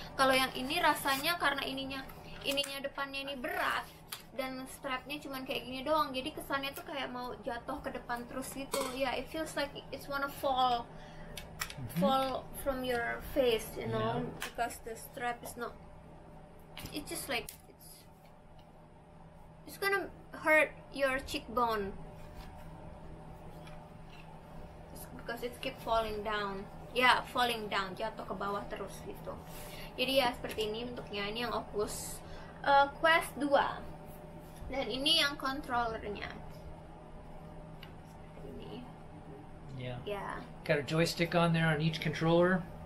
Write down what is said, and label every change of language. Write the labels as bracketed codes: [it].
[id] Kalau yang ini rasanya karena ininya depannya ini berat dan strapnya cuman kayak gini doang, jadi kesannya tuh kayak mau jatuh ke depan terus gitu. [en] Ya, yeah, it feels like it's wanna fall from your face, you know, yeah. Because the strap is not, it's just like it's gonna hurt your cheekbone because it keep falling down. [id] Ya, [en] yeah, falling down, [id] jatuh ke bawah terus gitu. Jadi ya seperti ini bentuknya, ini yang Oculus Quest 2. Dan ini yang controllernya. Ini. [en] Yeah. Yeah. Got a joystick on there on each controller?